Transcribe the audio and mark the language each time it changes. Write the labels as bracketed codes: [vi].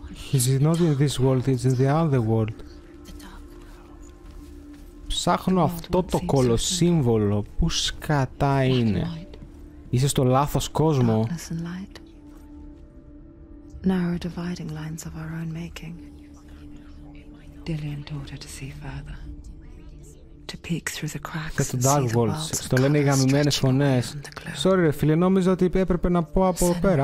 [en] He's not in this world, he's in the other world. [el] Ψάχνω αυτό το κολοσύμβολο. Πού σκατά είναι? Είσαι στο λάθος κόσμο. [en] Narrow dividing lines of our own making. Dillian taught her to see further. To peek through the cracks and see the worlds. [el] Στο λένε οι γαμημένες φωνές. Sorry ρε φίλε, νόμιζα ότι έπρεπε να πω από εδώ πέρα.